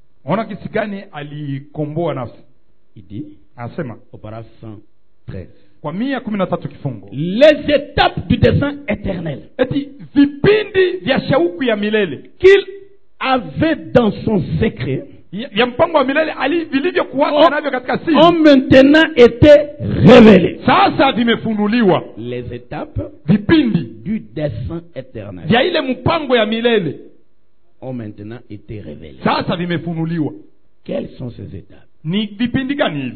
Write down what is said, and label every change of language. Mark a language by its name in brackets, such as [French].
[Swahili] Ona kisi gani alikomboa nafsi. [French] Il dit. [Swahili] Anasema. [French] Au paragraphe 113. [Swahili] Kwa 113 kifungo. [French] Les étapes du dessein éternel. [Swahili] Eti vipindi vya shauku ya milele [French] qu'il avait dans son secret [Swahili] ya mpango wa milele alivyo kuwaka navyo katika siri [French] on maintenant était révélé [Swahili] sasa vimefunuliwa [French] les étapes [Swahili] vipindi [French] du dessein éternel [Swahili] ya ile mpango ya milele [French] on maintenant était révélé [Swahili] sasa vimefunuliwa [French] quelles sont ces étapes [Swahili] ni vipindi gani?